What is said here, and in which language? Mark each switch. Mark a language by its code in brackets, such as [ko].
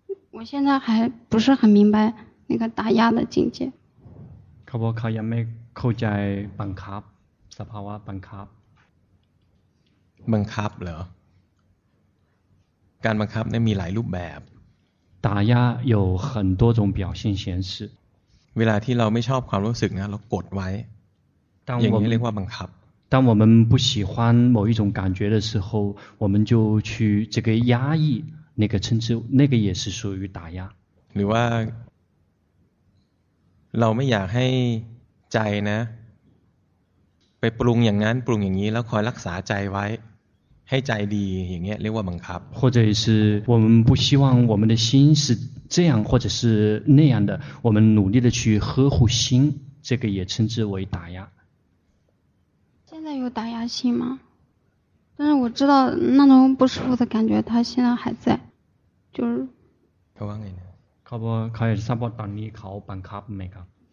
[zh] 我现在还不是很明白那个打压的境界。 [th] เขาบอกเขายังไม่เข้าใจบังคับสภาวะบังคับ บังคับเหรอการบังคับเนี่ยมีหลายรูปแบบ [zh] 打压有很多种表现形式 [th] เวลาที่เราไม่ชอบความรู้สึกนะเรากดไว้อย่างนี้เรียกว่าบังคับ [zh] 当我们不喜欢某一种感觉的时候我们就去这个压抑那个称之那个也是属于打压 [th] หรือว่าเราไม่อยากให้ใจนะไปปรุงอย่างนั้นปรุงอย่างนี้แล้วคอยรักษาใจไว้ให้ใจดีอย่างเงี้ยเรียกว่าบังคับ [zh] 或者是我们不希望我们的心是这样或者是那样的我们努力的去呵护心这个也称之为打压现在有打压心吗但是我知道那种不舒服的感觉它现在还在就是他问你 [th] เขาบอกเขาจะทราบว่าตอนนี้เขาบังคับไหมครับ